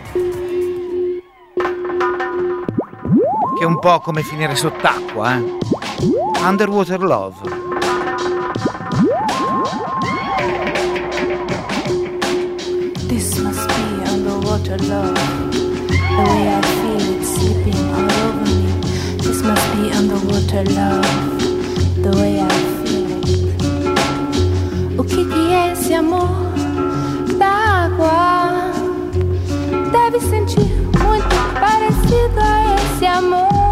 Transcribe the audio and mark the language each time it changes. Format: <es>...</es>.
<it>Che è un po' come finire sott'acqua, eh?</it> <en>Underwater Love. This must be underwater love, the way I feel it slipping all over me. This must be underwater love, the way I feel it.</en> <pt>O que que é esse amor da água? Deve sentir muito parecido a esse amor.</pt>